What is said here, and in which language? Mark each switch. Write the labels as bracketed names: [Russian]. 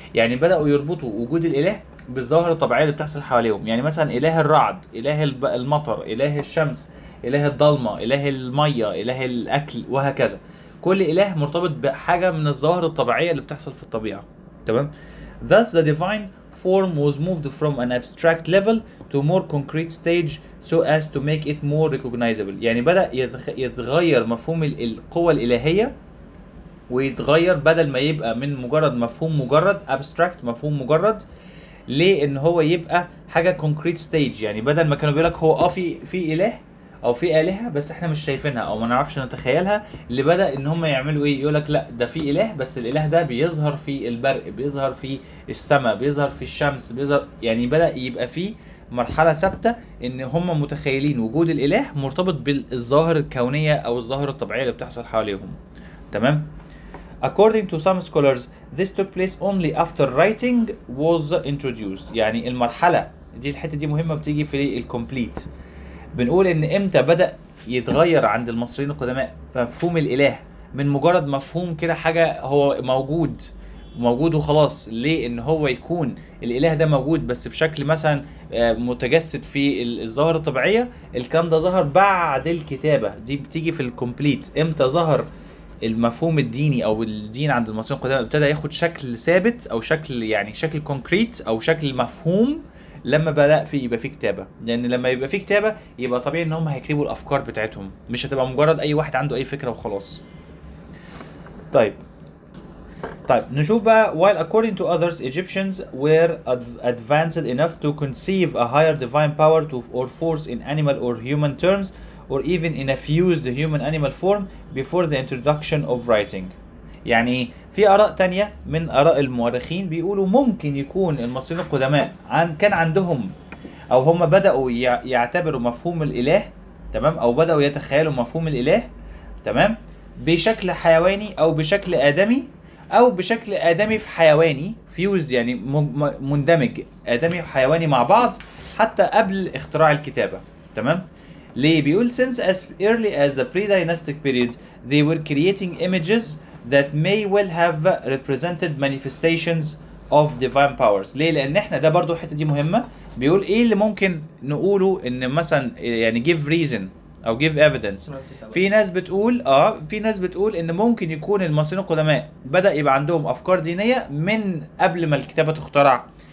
[Arabic] يعني بدأوا يربطوا وجود الاله بالظواهر الطبيعية اللي بتحصل حواليهم، يعني مثلا اله الرعد، اله المطر، اله الشمس، إله الضلمة، إله المية، إله الأكل، وهكذا. كل إله مرتبط بحاجة من الظواهر الطبيعية اللي بتحصل في الطبيعة، تمام. [English] Thus the divine form was moved from an abstract level to more concrete stage so as to make it more recognizable. [Arabic] يعني بدأ يتغير مفهوم القوة الإلهية، ويتغير بدل ما يبقى من مجرد مفهوم، مجرد abstract، مفهوم مجرد، ليه؟ إن هو يبقى حاجة concrete stage، يعني بدل ما كانوا بيقولك هو في إله او في آلهة بس احنا مش شايفينها او ما نعرفش نتخيلها، اللي بدأ ان هم يعملوا ايه، يقولك لا ده في إله بس الإله ده بيظهر في البرق، بيظهر في السماء، بيظهر في الشمس، بيظهر، يعني بدأ يبقى في مرحلة ثابتة ان هم متخيلين وجود الإله مرتبط بالظاهر الكونية او الظاهر الطبيعية اللي بتحصل حواليهم، تمام. [English] According to some scholars this took place only after writing was introduced. [Arabic] يعني المرحلة دي، الحتة دي مهمة، بتيجي في الكومبليت. بنقول ان امتى بدأ يتغير عند المصريين القدماء مفهوم الاله من مجرد مفهوم كده، حاجة هو موجود وخلاص، ليه ان هو يكون الاله ده موجود بس بشكل مثلا متجسد في الظاهرة الطبيعية. الكلام ده ظهر بعد الكتابة، دي بتيجي في الكومبليت. امتى ظهر المفهوم الديني او الدين عند المصريين القدماء ابتدى ياخد شكل ثابت او شكل، يعني شكل كونكريت او شكل مفهوم لما بقى في يبقى في كتابه، لان لما يبقى في كتابه يبقى طبيعي ان هم هيكتبوا الافكار بتاعتهم، مش هتبقى مجرد اي واحد عنده اي فكره وخلاص. طيب نشوف بقى. [English] while according to others Egyptians were advanced enough to conceive a higher divine power to or force in animal or human terms or even in a fused human animal form before the introduction of writing. [Arabic] يعني في اراء تانية من اراء المؤرخين بيقولوا ممكن يكون المصريين القدماء كان عندهم او هم بداوا يعتبروا مفهوم الاله تمام، او بداوا يتخيلوا مفهوم الاله تمام بشكل حيواني او بشكل ادمي او بشكل ادمي في حيواني فيوز، يعني مندمج ادمي وحيواني مع بعض حتى قبل اختراع الكتابه تمام. ليه بيقول [English] since as early as the pre-dynastic period they were creating images that may well have represented manifestations of divine powers. [Arabic] ليه؟ لان احنا ده برضو حتة دي مهمة. بيقول ايه اللي ممكن نقوله ان مثلا يعني [English] give reason [Arabic] او [English] give evidence. [Arabic] في ناس بتقول ان ممكن يكون المصريين القدماء بدأ يبقى عندهم افكار دينية من قبل ما الكتابة تخترع.